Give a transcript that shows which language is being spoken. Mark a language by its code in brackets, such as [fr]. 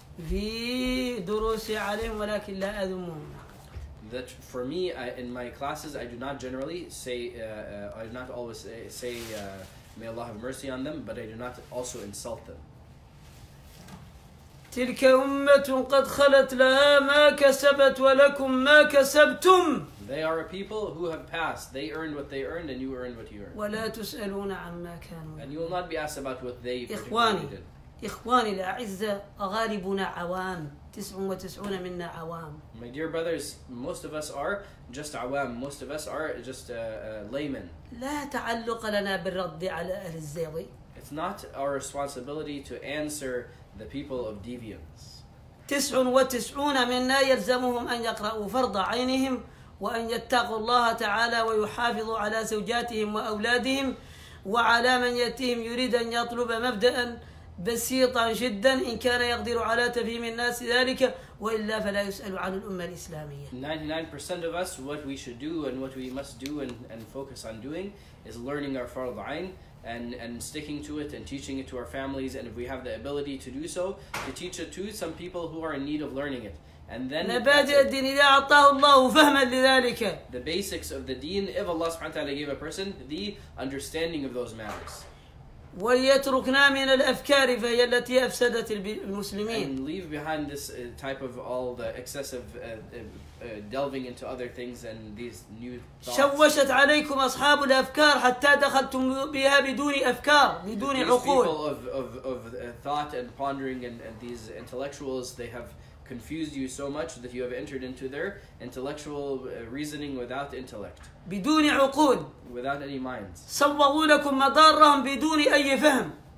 [ar] في دروسي عليهم ولكن لا أذمهم. [en] That for me, in my classes, I do not generally say, I do not always say, may Allah have mercy on them, but I do not also insult them. [ar] تلك أمة قد خلت لها ما كسبت ولكم ما كسبتم. [en] They are a people who have passed. They earned what they earned, and you earned what you earned. [ar] ولا تسألون عما كانوا. [en] And you will not be asked about what they [ar] إخواني. [en] Did. [ar] إخواني الأعزاء أغالبنا عوام 99 منا عوام. [en] My dear brothers, most of us are just عوام. Most of us are just laymen. [ar] لا تعلق لنا بالرد على أهل الزيغي. [en] It's not our responsibility to answer the people of deviants. [ar] 99 منا يلزمهم أن يقرأوا فرض عينهم وأن يتقوا الله تعالى ويحافظوا على زوجاتهم وأولادهم وعلى من يأتيهم يريد أن يطلب مبدأ بسيطا جدا إن كان يقدر على تفهيم الناس ذلك وإلا فلا يسأل عن الأمة الإسلامية. [en] 99% of us, what we should do and what we must do and focus on doing is learning our fard ayn and sticking to it and teaching it to our families, and if we have the ability to do so, to teach it to some people who are in need of learning it. And then [ar] مبادئ الدين إذا أعطاه الله فهما لذلك. [en] The basics of the deen, if Allah subhanahu wa ta'ala gave a person the understanding of those matters. [ar] وليتركنا من الأفكار فهي التي أفسدت المسلمين. [en] And leave behind this type of all the excessive delving into other things and these new thoughts. [ar] شوشت عليكم أصحاب الأفكار حتى دخلتم بها بدون أفكار بدون [en] these [ar] عقول. [en] These people of thought and pondering and these intellectuals, they have confused you so much that you have entered into their intellectual reasoning without intellect. [ar] بدون عقول. [en] Without any minds. [ar] صوروا لكم مدارهم بدون أي فهم.